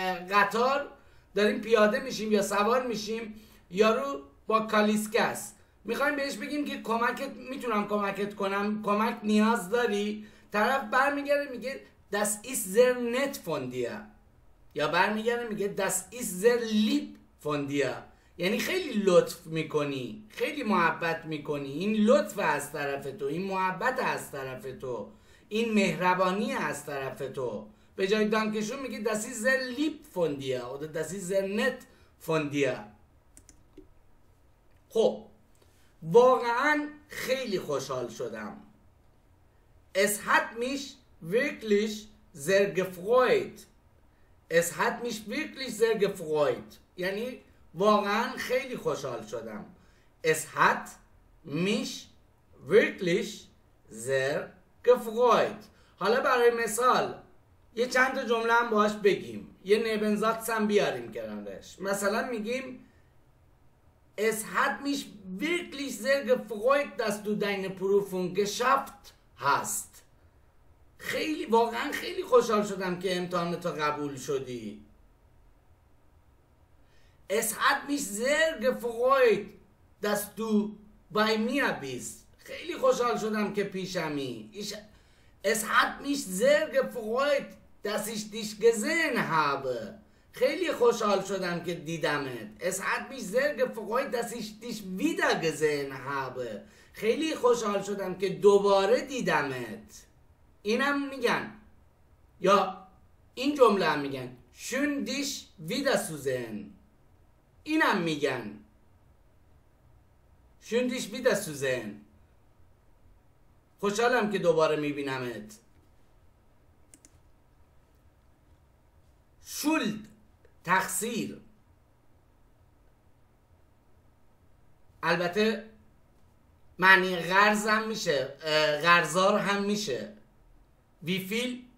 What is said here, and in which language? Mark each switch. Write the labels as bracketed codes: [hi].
[fa] قطار داریم پیاده میشیم یا سوار میشیم، یارو با کالیسکه است، میخوایم بهش بگیم که کمکت، میتونم کمکت کنم، کمک نیاز داری؟ طرف برمیگره میگه [de] das ist sehr nett von dir، [fa] یا برمیگره میگه [de] das ist sehr lieb von dir، [fa] یعنی خیلی لطف میکنی، خیلی محبت میکنی. این لطف از طرف تو، این محبت از طرف تو، این مهربانی از طرف تو. به جای دانکشون میگه [de] das ist sehr lieb von dir، [fa] و [de] das ist sehr nett von dir. [fa] خب واقعا خیلی خوشحال شدم. [de] Es hat mich wirklich sehr gefreut. Es hat mich wirklich sehr gefreut. [fa] یعنی واقعا خیلی خوشحال شدم. [de] Es hat mich wirklich sehr gefreut. [fa] حالا برای مثال یه چند جمله هم باهاش بگیم. یه نبنزاکس هم بیاریم کنارش. مثلا میگیم [de] Es hat mich wirklich sehr gefreut, dass du deine Prüfung geschafft hast. [fa] خیلی واقعا خیلی خوشحال شدم که امتحانت رو قبول شدی. [de] Es hat mich sehr gefreut, dass du bei mir bist. [fa] خیلی خوشحال شدم که پیشمی. [de] Es hat mich sehr gefreut, dass ich dich gesehen habe. [fa] خیلی خوشحال شدم که دیدمت. [de] Es hat mich sehr gefreut, dass ich dich wieder gesehen habe. [fa] خیلی خوشحال شدم که دوباره دیدمت. اینم میگن، یا این جمله هم میگن [de] Schön dich wieder zu sehen. [fa] اینم میگن [de] Schön dich wieder zu sehen. [fa] خوشحالم که دوباره میبینمت. Schuld، تقصیر. البته معنی قرض هم میشه، قرضار هم میشه. وی فیل